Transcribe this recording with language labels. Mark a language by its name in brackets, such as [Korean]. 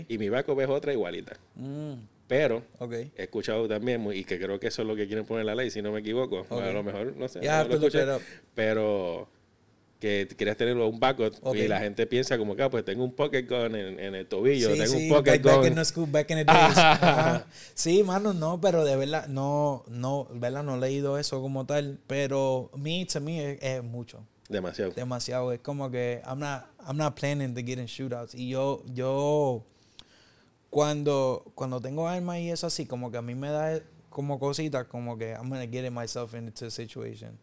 [Spanish] Y mi backup es otra igualita. Pero he escuchado también, y que creo que eso es lo que quieren poner la ley, si no me equivoco. Okay. A lo mejor, no sé. Ya, no lo escuché, pero que querías tenerlo un backup. Okay. Y la gente piensa como que, pues tengo un pocket gun en el tobillo. Sí, tengo un pocket gun. [English] Back in the school, back in the days. [Spanish] Sí, mano, no, pero de verdad, no he leído eso como tal. Pero to me es mucho. Demasiado. Es como que I'm not planning to get in shootouts. Y yo cuando tengo armas y eso así, como que a mí me da como cositas, como que I'm going to get myself into the situation.